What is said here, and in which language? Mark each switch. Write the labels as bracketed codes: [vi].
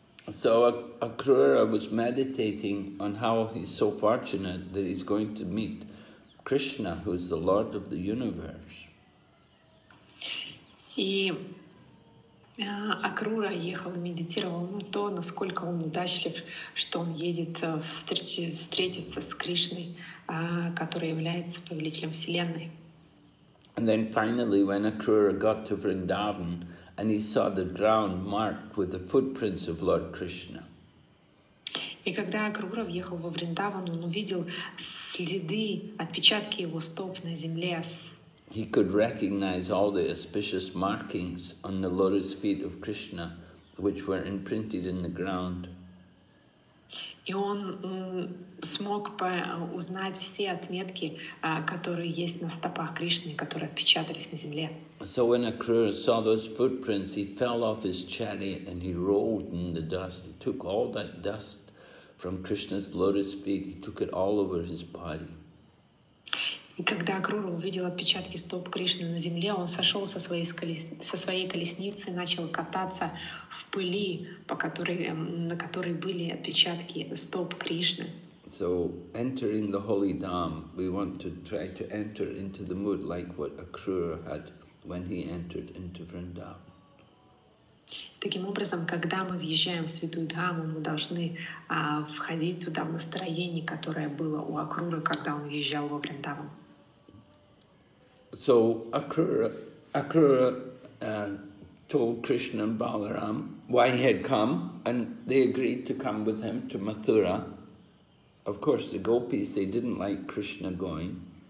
[en] So Akrura was meditating on how he's so fortunate that he's going to meet Krishna, who is the Lord of the universe. [ru] И Акрура ехал и медитировал на то, насколько он удачлив, что он едет встретиться с Кришной, который является повелителем Вселенной. [en] And then finally, when Akrura got to Vrindavan, and he saw the ground marked with the footprints of Lord Krishna. [ru] И когда Акрура въехал во Вриндаван, он увидел следы, отпечатки его стоп на земле. [en] He could recognize all the auspicious markings on the lotus feet of Krishna, which were imprinted in the ground. [ru] И он смог узнать все отметки, которые есть на стопах Кришны, которые отпечатались на земле. [en] So when Akrura saw those footprints, he fell off his chariot and he rolled in the dust. He took all that dust from Krishna's lotus feet, he took it all over his body. [ru] И когда Акрура увидел отпечатки стоп Кришны на земле, он сошел со своей колесницы, начал кататься в пыли, на которой были отпечатки стоп Кришны. [en] So entering the holy dham, we want to try to enter into the mood like what Akrura had when he entered into Vrindavan. [ru] Таким образом, когда мы въезжаем в святую дхаму, мы должны входить туда в настроение, которое было у Акрура, когда он въезжал во Вриндаван. [en] So Akrura told Krishna and Balaram why he had come, and they agreed to come with him to Mathura. Of course, the gopis, they didn't like Krishna going.